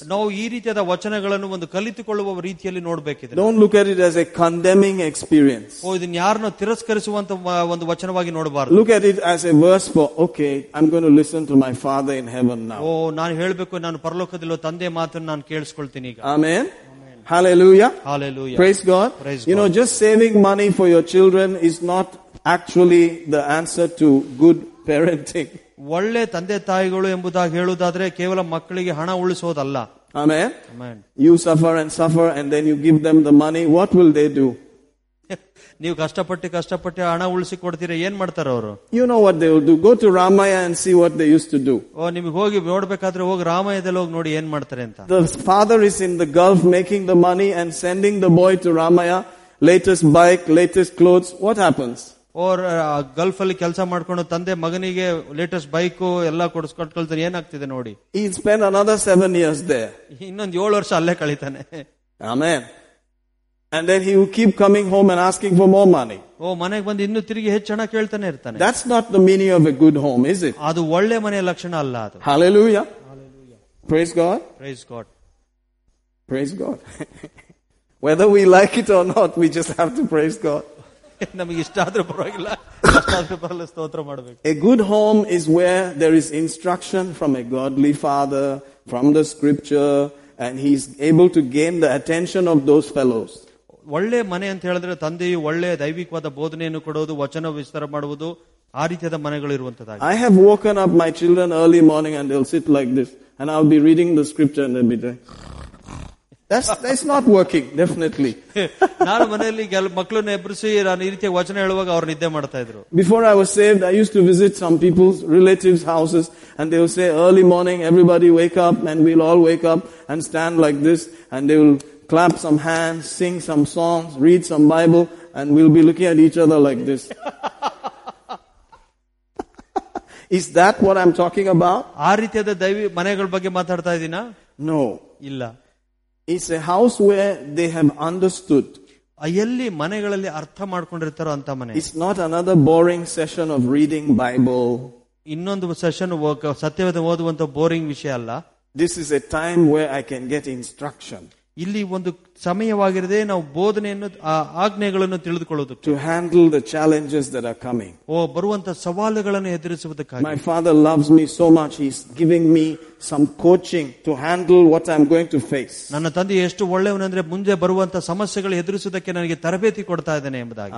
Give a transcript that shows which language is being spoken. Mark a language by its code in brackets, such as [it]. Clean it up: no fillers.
[kn] ನಾವು ಈ ರೀತಿಯಾದ ವಚನಗಳನ್ನು ಒಂದು ಕಲಿತುಕೊಳ್ಳುವ ರೀತಿಯಲ್ಲಿ ನೋಡಬೇಕಿದೆ. [en] Don't look at it as a condemning experience. [kn] ಓ ಇದನ್ನ ಯಾರನ್ನು ತಿರಸ್ಕರಿಸುವಂತ ಒಂದು ವಚನವಾಗಿ ನೋಡಬಾರದು. [en] Look at it as a verse for okay I am going to listen to my father in heaven now. [kn] ಓ ನಾನು ಹೇಳಬೇಕು, ನಾನು ಪರಲೋಕದಲ್ಲಿ ತಂದೆ ಮಾತನ್ನು ನಾನು ಕೇಳಿಸ್ಕೊಳ್ತೀನಿ ಈಗ. [en] Amen. Hallelujah. Hallelujah. Praise God. Praise God. You know, just saving money for your children is not actually the answer to good parenting. [kn] ಒಳ್ಳೆ ತಂದೆ ತಾಯಿಗಳು ಎಂಬುದಾಗಿ ಹೇಳುವುದಾದ್ರೆ ಕೇವಲ ಮಕ್ಕಳಿಗೆ ಹಣ ಉಳಿಸೋದಲ್ಲ. [en] Amen. You suffer and suffer and then you give them the money, what will they do? [kn] ನೀವು ಕಷ್ಟಪಟ್ಟು ಕಷ್ಟಪಟ್ಟು ಹಣ ಉಳಿಸಿ ಕೊಡ್ತೀರಾ, ಏನ್ ಮಾಡ್ತಾರೆ ಅವರು? [en] You know what they will do, go to Ramaiah and see what they use to do. [kn] ಓ ನಿಮಗೆ ಹೋಗಿ ನೋಡಬೇಕಾದ್ರೆ ಹೋಗಿ ರಾಮಾಯದಲ್ಲಿ ಹೋಗಿ ನೋಡಿ ಏನ್ ಮಾಡ್ತಾರೆ ಅಂತ. [en] The father is in the Gulf making the money and sending the boy to Ramaiah, latest bike, latest clothes, what happens? [kn] Or Gulf ಅಲ್ಲಿ ಕೆಲಸ ಮಾಡ್ಕೊಂಡು ತಂದೆ ಮಗನಿಗೆ ಲೇಟೆಸ್ಟ್ ಬೈಕ್ ಎಲ್ಲ ಕೊಡ್ಸ್ಕೊಟ್ಕೊಳ್ತಾನೆ, ಏನಾಗ್ತಿದೆ ನೋಡಿ. [en] ಈ spend another 7 years they, [kn] ಇನ್ನೊಂದು 7 ವರ್ಷ ಅಲ್ಲೇ ಕಳೀತಾನೆ. [en] Amen. And then he will keep coming home and asking for more money. [kn] ಓ ಮನೆಗೆ ಬಂದು ಇನ್ನು ತಿರುಗಿ ಹೆಚ್ಚಣ ಕೇಳ್ತಾನೆ ಇರ್ತಾನೆ. [en] That's not the meaning of a good home, is it? [kn] ಅದು ಒಳ್ಳೆ ಮನೆಯ ಲಕ್ಷಣ ಅಲ್ಲ ಅದು. [en] Hallelujah. Hallelujah. Praise God. Praise God. Praise God. Whether we like it or not, we just have to praise God. [kn] ನಮಗೆ ಇಷ್ಟ ಆದ್ರೂ ಪರವಾಗಿಲ್ಲ, ಇಷ್ಟ ಆದ್ರೂ ಪರವಾಗಿಲ್ಲ, ಸ್ತೋತ್ರ ಮಾಡಬೇಕು. [en] A good home is where there is instruction from a godly father, from the scripture, and he is able to gain the attention of those fellows. [kn] ಒಳ್ಳೆ ಮನೆ ಅಂತ ಹೇಳಿದ್ರೆ ತಂದೆಯು ಒಳ್ಳೆ ದೈವಿಕವಾದ ಬೋಧನೆಯನ್ನು ಕೊಡುವುದು, ವಚನ ವಿಸ್ತಾರ ಮಾಡುವುದು, ಆ ರೀತಿಯಾದ ಮನೆಗಳು ಇರುವಂತದ್ದಾಗಿದೆ. [en] I have woken up my children early morning and they'll sit like this and I'll be reading the scripture and they'll be there. That's not working, definitely. [kn] ನಾನು ಮನೆಯಲ್ಲಿ ಮಕ್ಕಳನ್ನ ಎಬ್ಬರಿಸಿ ನಾನು ಈ ರೀತಿಯ ವಚನ ಹೇಳುವಾಗ ಅವ್ರು ನಿದ್ದೆ ಮಾಡ್ತಾ ಇದ್ರು. [en] Before I was saved, I used to visit some people's relatives' houses and they would say, early morning, everybody wake up and we'll all wake up and stand like this and they will clap some hands, sing some songs, read some Bible and we'll be looking at each other like this. Is that what I'm talking about? [kn] ಆ ರೀತಿಯಾದ ದೈವಿ ಮನೆಗಳ ಬಗ್ಗೆ ಮಾತಾಡ್ತಾ ಇದೀನ? [en] No. [kn] ಇಲ್ಲ. [en] It's a house where they have understood. [kn] ಎಲ್ಲಿ ಮನೆಗಳಲ್ಲಿ ಅರ್ಥ ಮಾಡ್ಕೊಂಡಿರ್ತಾರೋ ಅಂತ ಮನೆ. [en] It's not another boring session of reading Bible. [kn] ಇನ್ನೊಂದು ಸೆಷನ್ ಸತ್ಯವೇದ ಓದುವಂತ ಬೋರಿಂಗ್ ವಿಷಯ ಅಲ್ಲ. [en] This is a time where I can get instruction. [kn] ಇಲ್ಲಿ ಒಂದು ಸಮಯವಾಗಿರದೆ ನಾವು ಬೋಧನೆಯನ್ನು ಆಜ್ಞೆಗಳನ್ನು ತಿಳಿದುಕೊಳ್ಳುವುದು. [en] To handle the challenges that are coming. [kn] ಓ ಬರುವಂತ ಸವಾಲುಗಳನ್ನು ಎದುರಿಸುವುದಕ್ಕಾಗಿ. [en] My father loves me so much, he is giving me some coaching to handle what I am going to face. [kn] ನನ್ನ ತಂದೆ ಎಷ್ಟು ಒಳ್ಳೆಯವನಂದ್ರೆ ಮುಂದೆ ಬರುವಂತಹ ಸಮಸ್ಯೆಗಳು ಎದುರಿಸುವುದಕ್ಕೆ ನನಗೆ ತರಬೇತಿ ಕೊಡ್ತಾ ಇದ್ದಾನೆ ಎಂಬುದಾಗಿ.